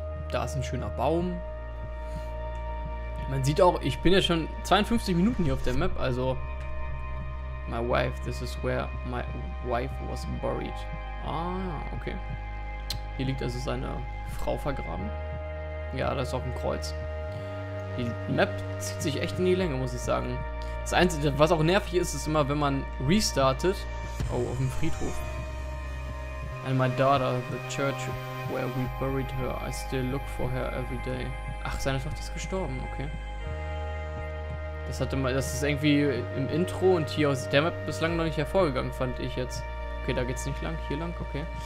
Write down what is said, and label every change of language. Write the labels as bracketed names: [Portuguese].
[German] Da ist ein schöner Baum. Man sieht auch, ich bin ja schon 52 Minuten hier auf der Map, also... [English] My wife, this is where my wife was buried. Ah, okay. [German] Hier liegt also seine Frau vergraben. Ja, da ist auch ein Kreuz. Die Map zieht sich echt in die Länge, muss ich sagen. Das Einzige, was auch nervig ist, ist immer, wenn man restartet... Oh, auf dem Friedhof. [English] And my daughter, the church where we buried her, I still look for her every day. [German] Ach, seine Tochter ist gestorben, okay. Das hatte mal, das ist irgendwie im Intro und hier aus der Map bislang noch nicht hervorgegangen, fand ich jetzt. Okay, da geht's nicht lang, hier lang, okay.